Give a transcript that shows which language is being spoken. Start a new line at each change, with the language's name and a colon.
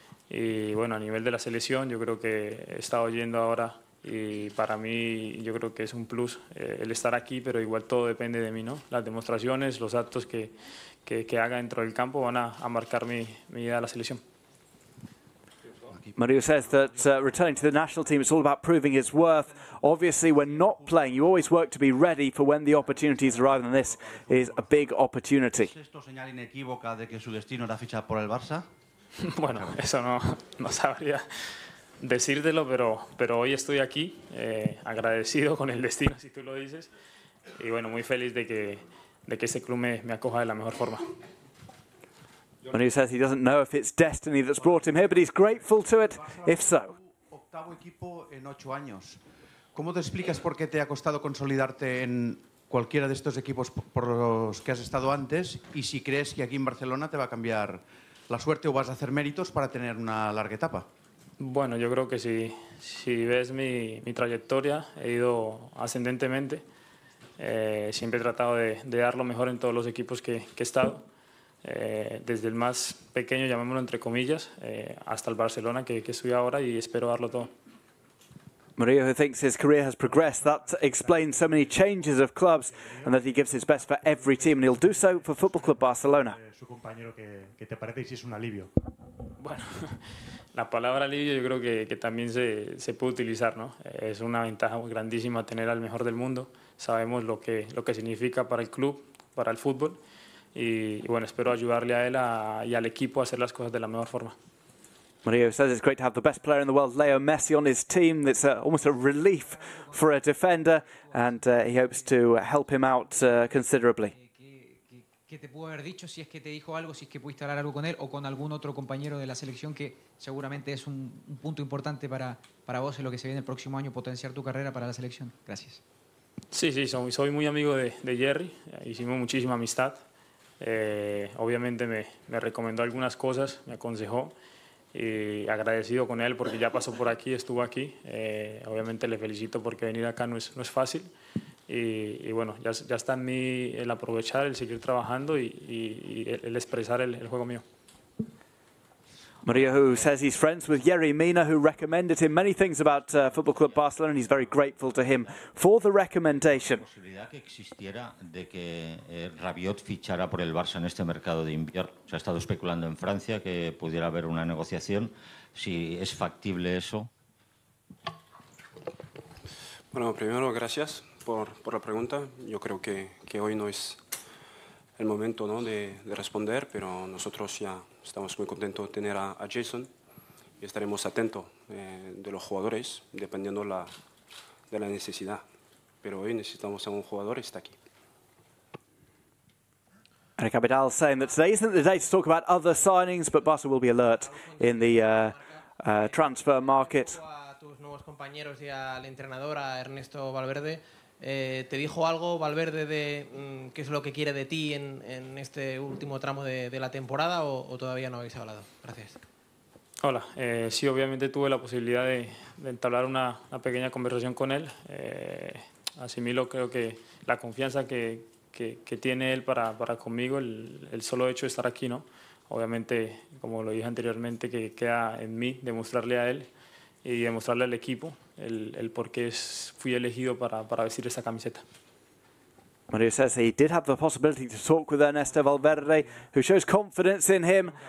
Spanish: Y bueno, a nivel de la selección, yo creo que he estado yendo ahora y para mí yo creo que es un plus el estar aquí, pero igual todo depende de mí, ¿no? Las demostraciones, los actos que haga dentro del campo van a marcar mi vida a la selección.
English: Mario says that returning to the national team is all about proving his worth. Obviously, when not playing, you always work to be ready for when the opportunities arrive, and this is a big opportunity.
Spanish: ¿Es esto señal inequívoca de que su destino era fichar por el Barça? Bueno, eso no sabría decírtelo, pero hoy estoy aquí agradecido con el destino, si tú lo dices, y bueno, muy feliz de que este club me acoja de la mejor forma.
English: And he says he doesn't know if it's destiny that's brought him here, but he's grateful to it, if so.
Spanish: Octavo equipo en 8 años. ¿Cómo te explicas por qué te ha costado consolidarte en cualquiera de estos equipos por los que has estado antes? Y si crees que aquí en Barcelona te va a cambiar la suerte o vas a hacer méritos para tener una larga etapa. Bueno, yo creo que si ves mi trayectoria, he ido ascendentemente. Siempre he tratado de dar lo mejor en todos los equipos que he estado. Desde el más pequeño, llamémoslo entre comillas, hasta el Barcelona que estoy ahora y espero darlo todo.
English: Murillo, who thinks his career has progressed, that explains so many changes of clubs and that he gives his best for every team, and he'll do so for Football Club Barcelona.
Spanish: Su compañero, ¿qué te parece y si es un alivio? Bueno, la palabra alivio yo creo que también se puede utilizar, ¿no? Es una ventaja grandísima tener al mejor del mundo. Sabemos lo que significa para el club, para el fútbol. Y bueno, espero ayudarle a él y al equipo a hacer las cosas de la mejor forma.
English: Mario says it's great to have the best player in the world, Leo Messi, on his team. It's almost a relief for a defender, and he hopes to help him out considerably.
Spanish: ¿Qué te pudo haber dicho, si es que te dijo algo, si es que pudiste hablar algo con él o con algún otro compañero de la selección, que seguramente es un punto importante para vos en lo que se viene el próximo año, potenciar tu carrera para la selección? Gracias. Sí, soy muy amigo de Jerry, hicimos muchísima amistad. Obviamente me recomendó algunas cosas, me aconsejó, y agradecido con él porque ya pasó por aquí, estuvo aquí. Obviamente le felicito porque venir acá no es fácil, y bueno, ya está en mí el aprovechar, el seguir trabajando y el expresar el juego mío. Murillo, who says he's friends with Yerry Mina, who recommended him many things about Football Club Barcelona, and he's very grateful to him for the recommendation. ¿Posibilidad que existiera de que Rabiot fichara por el Barça en este mercado de invierno? Se ha estado especulando en Francia que pudiera haber una negociación. ¿Si es factible eso? Bueno, primero, gracias por la pregunta. Yo creo que hoy no es el momento, ¿no?, de responder, pero nosotros ya estamos muy contentos de tener a Jason y estaremos atentos de los jugadores dependiendo de la necesidad. Pero hoy necesitamos a un jugador y está aquí.
English: Eric Abidal saying that today isn't the day to talk about other signings, but Barça will be alert in the transfer market.
Spanish: A tus nuevos compañeros y al entrenador, a Ernesto Valverde, ¿Te dijo algo Valverde de qué es lo que quiere de ti en este último tramo de la temporada o todavía no habéis hablado? Gracias. Hola. Sí, obviamente tuve la posibilidad de entablar una pequeña conversación con él. Asimilo, creo que la confianza que tiene él para conmigo, el solo hecho de estar aquí, ¿no? Obviamente, como lo dije anteriormente, que queda en mí demostrarle a él y demostrarle al equipo el por qué fui elegido para vestir esta camiseta.
English: Mario says he did have the possibility to talk with Ernesto Valverde, who shows confidence in him.